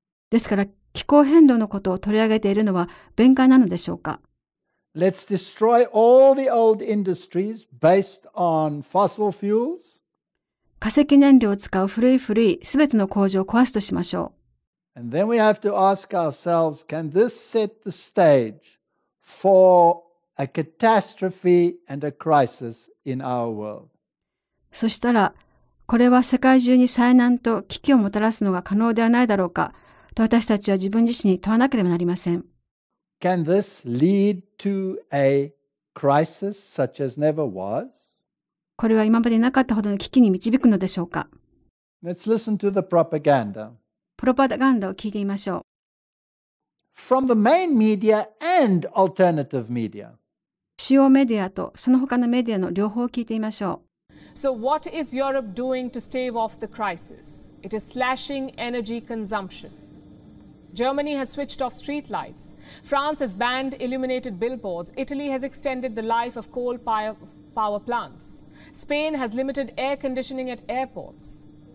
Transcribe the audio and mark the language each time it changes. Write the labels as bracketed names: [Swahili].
[Japanese] ですから気候変動のことを取り上げているのは弁解なのでしょうか。 [English] Let's destroy all the old industries based on fossil fuels. [Japanese] 化石燃料を使う古い全ての工場を壊すとしましょう。 [English] And then we have to ask ourselves, can this set the stage for a catastrophe and a crisis in our world? [Japanese] そしたらこれは世界中に災難と危機をもたらすのが可能ではないだろうか。私たちは自分自身に問わなければなりません。 [English] Can this lead to a crisis such as never was? [Japanese] これは今までなかったほどの危機に導くのでしょうか。 [English] Let's listen to the propaganda. [Japanese] プロパガンダを聞いてみましょう。 [English] From the main media and alternative media. [Japanese] 主要メディアとその他のメディアの両方を聞いてみましょう。 [English] So what is Europe doing to stave off the crisis? It is slashing energy consumption. Germany has switched off street lights. France has banned illuminated billboards. Italy has extended the life of coal power plants. Spain has limited air conditioning at airports.